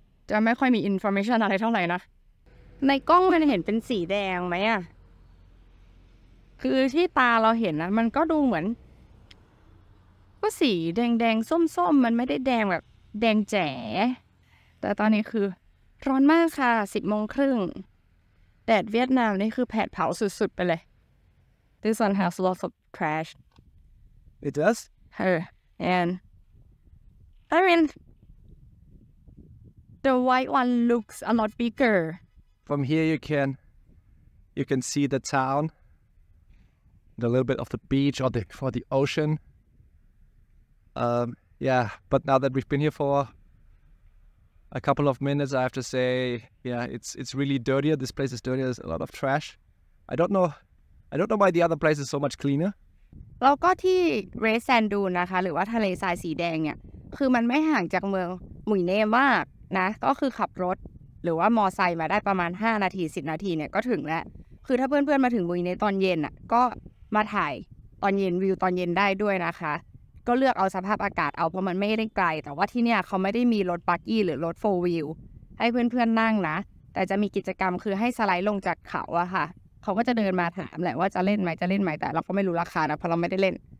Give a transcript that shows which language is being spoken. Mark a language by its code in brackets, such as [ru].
[th] จะไม่ค่อยมีอินฟอร์เมชั่นอะไรเท่าไหร่นะในกล้องมันเห็นเป็นสีแดงไหมอ่ะคือที่ตาเราเห็นนะมันก็ดูเหมือนก็สีแดงๆส้มๆ มันไม่ได้แดงแบบแดงแจ๋แต่ตอนนี้คือร้อนมากค่ะ 10:30 นแดดเวียดนามนี่คือแผดเผาสุดๆไปเลย [en] This one has lots of trash It does? And I mean The white one looks a lot bigger From here you can see the town A little bit of the beach or the ocean Yeah, but now that we've been here for a couple of minutes, I have to say, yeah, it's really dirtier. This place is dirtier. There's a lot of trash. I don't know why the other place is so much cleaner. [th] แล้วก็ที่เรสแซนดูนะคะหรือว่าทะเลทรายสีแดงเนี่ยคือมันไม่ห่างจากเมืองหมุยเน่มากนะก็คือขับรถหรือว่ามอไซค์มาได้ประมาณ5นาที10นาทีเนี่ยก็ถึงแล้วคือถ้าเพื่อนๆมาถึงหมุยเน่ตอนเย็นอ่ะก็ มาถ่ายตอนเย็นวิวตอนเย็นได้ด้วยนะคะก็เลือกเอาสภาพอากาศเอาเพราะมันไม่ได้ไกลแต่ว่าที่เนี่ยเขาไม่ได้มีรถบักกี้หรือรถโฟร์วีลให้เพื่อนๆนั่งนะแต่จะมีกิจกรรมคือให้สไลด์ลงจากเขาอะค่ะเขาก็จะเดินมาถามแหละว่าจะเล่นไหมจะเล่นไหมแต่เราก็ไม่รู้ราคานะเพราะเราไม่ได้เล่น